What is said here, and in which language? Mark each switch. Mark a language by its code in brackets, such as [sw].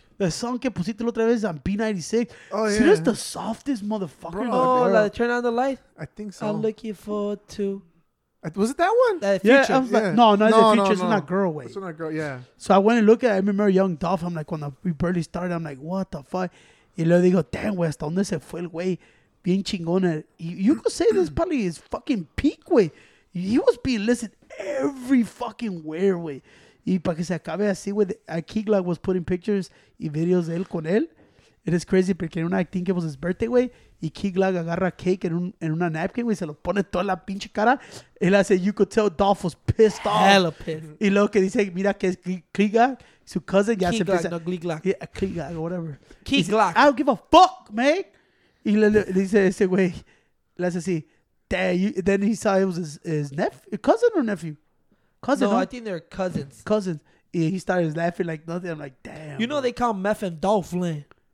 [en] The song [es] que pusiste la otra vez [en] on B96. Oh, yeah. Serious, the softest motherfucker. Bro, oh, like, Turn On The Light? I think so. I'm looking forward to... Was it that one? That Future. Yeah. Like, no, it's Future. No. It's not Girl Way. It's not Girl, yeah. So I went and looked at it. I remember Young Dolph. I'm like, when we barely started, I'm like, what the fuck? [es] Y luego digo, damn, güey, hasta donde se fue el güey? Bien chingona. [en] You could say this probably is fucking peak, güey. He was being listed every fucking where, güey. [es] Y para que se acabe así, güey, Akigla [en] was putting pictures [es] y videos de él con él. [en] It is crazy [es] porque en una, [en] I think it was his birthday, [es] güey, y Akigla agarra cake en una napkin, güey, se lo pone toda la pinche cara. Él hace, [en] you could tell Dolph was pissed off. Hella pissed. [es] Y luego que dice, mira que es Kigla, su cousin, ya se empieza. Kigla, no, [en] yeah, Kigla, whatever. Kigla. I don't give a fuck, man. [es] Y le dice ese güey, le hace así, [en] damn, you, then he saw it was his nephew, cousin or nephew? Cousin, no, I think they're cousins. Cousins. Yeah, he started laughing like nothing. I'm like, damn. You know bro. They call Meth and Dolph Lynn.